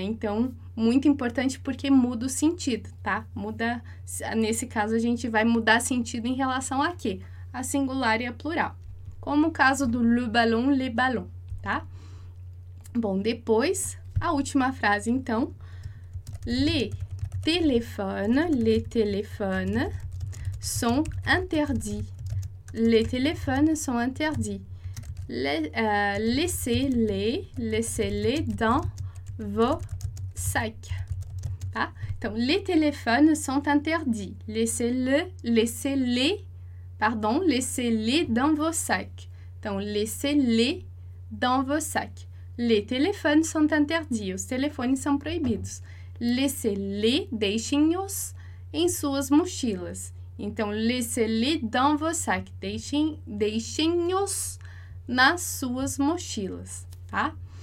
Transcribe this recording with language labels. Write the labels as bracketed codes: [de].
[pt] Então, muito importante porque muda o sentido, tá? Muda, nesse caso, a gente vai mudar sentido em relação a quê? A singular e a plural. Como o caso do [fr] le ballon, les ballons, [pt] tá? Bom, depois, a última frase, então. [fr] Les téléphones sont interdits. Les téléphones sont interdits. Laissez-les dans vos sacs. Tá? Então, les téléphones sont interdits. Laissez-les dans vos sacs. Então, laissez-les dans vos sacs. Les téléphones sont interdits. [pt] Os telefones são proibidos. [fr] Laissez-les, [pt] deixem-os em suas mochilas. [fr] Então, laissez-les dans vos sacs. [pt] Deixem-os nas suas mochilas, tá?